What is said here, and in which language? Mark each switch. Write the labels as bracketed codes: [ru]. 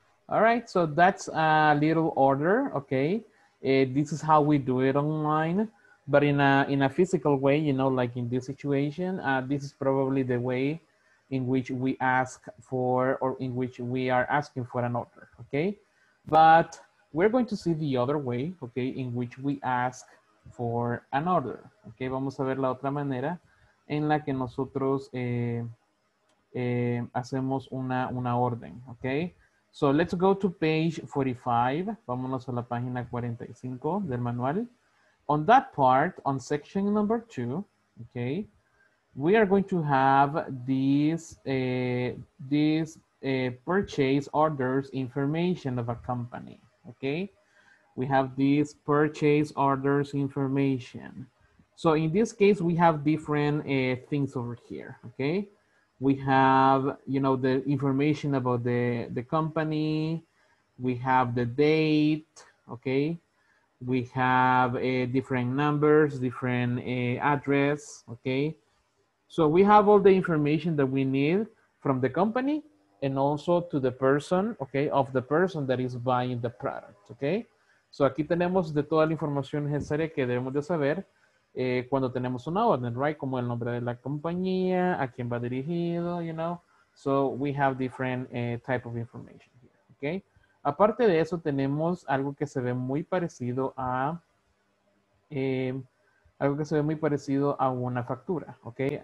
[en] All right, so that's a little order, okay? This is how we do it online, but in a physical way, you know, like in this situation, this is probably the way in which we ask for, or in which we are asking for an order, okay? But we're going to see the other way, okay, in which we ask for an order, okay? [es] Vamos a ver la otra manera en la que nosotros hacemos una orden, okay? So let's go to page 45. Vámonos a la página 45 del manual. [en] On that part, on section number 2, okay, we are going to have these purchase orders information of a company, okay? We have these purchase orders information. So in this case, we have different things over here, okay? We have, you know, the information about the company. We have the date, okay? We have different numbers, different address, okay? So we have all the information that we need from the company and also to the person, okay, of the person that is buying the product, okay? [es] So aquí tenemos de toda la información necesaria que debemos de saber cuando tenemos una orden, right? Como el nombre de la compañía, a quién va dirigido, you know? [en] So we have different type of information here, okay? [es] Aparte de eso, tenemos algo que se ve muy parecido a una factura, okay?